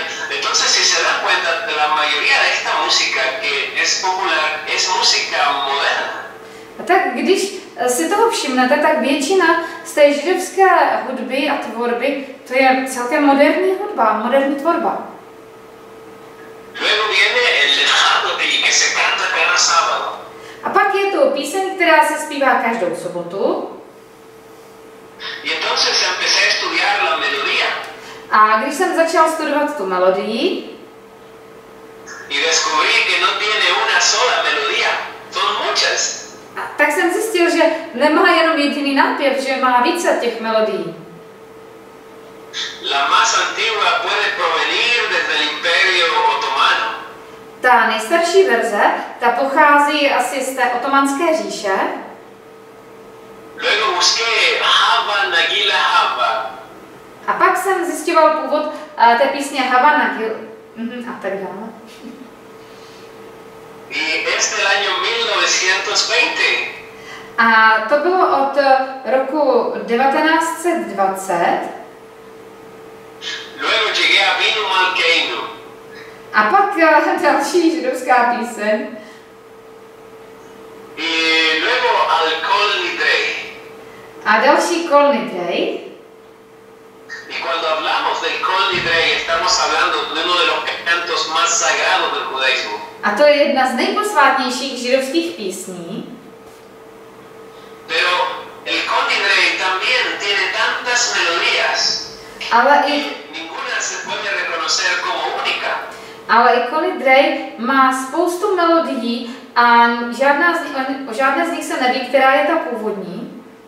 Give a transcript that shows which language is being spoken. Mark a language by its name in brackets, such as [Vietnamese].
[Spanish] Entonces, si se dan cuenta, la mayoría de esta música que es popular es música moderna. [Czech] A tak když si toho všimnete, tak většina z té židovské hudby a tvorby, to je celkem moderní hudba, moderní tvorba. [Spanish] Luego viene el lejado de que se canta cada sábado. [Czech] A pak je to píseň, která se zpívá každou sobotu. [Spanish] Y entonces empecé a estudiar la melodía. [Czech] A když jsem začal studovat tu melodii. [Spanish] Y descubrí descubrí que no tiene una sola melodía, son muchas. [Czech] A tak jsem zjistil, že nemá jenom jediný nápěv, že má více těch melodií. [Spanish] La más antigua puede provenir desde el Imperio Otomano. [Czech] Ta nejstarší verze, ta pochází asi z té otomanské říše. [Spanish] Luego busqué Hava Nagila Hava. [Czech] A pak jsem zjistil původ té písně Hava Nagila a tak dále. [Spanish] Y es del año 1920. [Czech] A to bylo od roku 1920. [Spanish] Luego llegué a Vino Malqueino. [Czech] A pak další židovská píseň. [Spanish] Y luego al Kol Nidre. [Czech] A další Kol Nidre. [Spanish] Y cuando hablamos del Kol Nidre, estamos hablando de uno de los cantos más sagrados del judaísmo. [Czech] A to je jedna z nejposvátnějších židovských písní. [Spanish] Pero el Kol Nidre también tiene tantas melodías. [Czech] Ale i [Spanish] ninguna se puede reconocer como única. [Czech] Ale i Kol Nidre má spoustu melodií a žádná z nich se neví, která je ta původní.